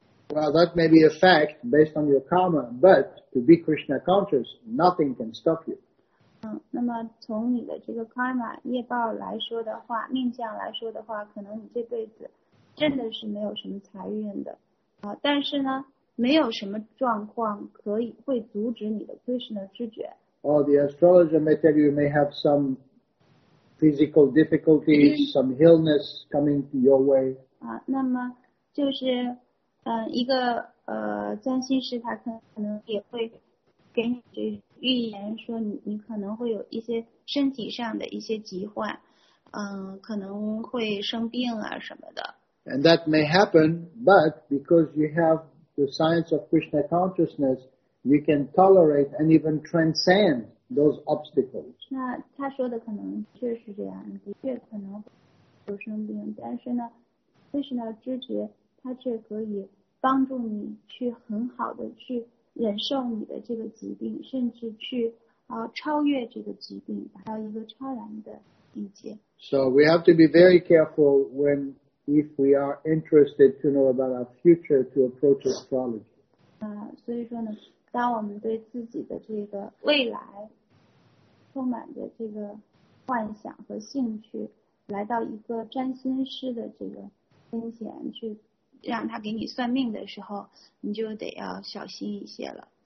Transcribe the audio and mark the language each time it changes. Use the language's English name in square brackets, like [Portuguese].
[English] Well, that may be a fact based on your karma, but to be Krishna conscious, nothing can stop you. [Chinese] 那么从你的这个 karma 业报来说的话，命相来说的话，可能你这辈子真的是没有什么财运的啊。但是呢，没有什么状况可以会阻止你的 Krishna 知觉。 [English] Oh, the astrologer may tell you may have some physical difficulties, some illness coming your way. [Chinese] 那么就是一个占星师他可能也会。给你这预言说你可能会有一些身体上的一些疾患，可能会生病啊什么的。 [English] And that may happen, but because you have the science of Krishna consciousness, you can tolerate and even transcend those obstacles. [Chinese] 那他说的可能确实这样，的确可能会有生病，但是呢，认识到知觉，它却可以帮助你去很好的去忍受你的这个疾病，甚至去超越这个疾病，达到一个超然的理解。 [English] So we have to be very careful when if we are interested to know about our future to approach astrology. [Chinese] 所以说呢，当我们对自己的这个未来充满着这个幻想和兴趣，来到一个占星师的这个跟前去让他给你算命的时候，你就得要小心一些了。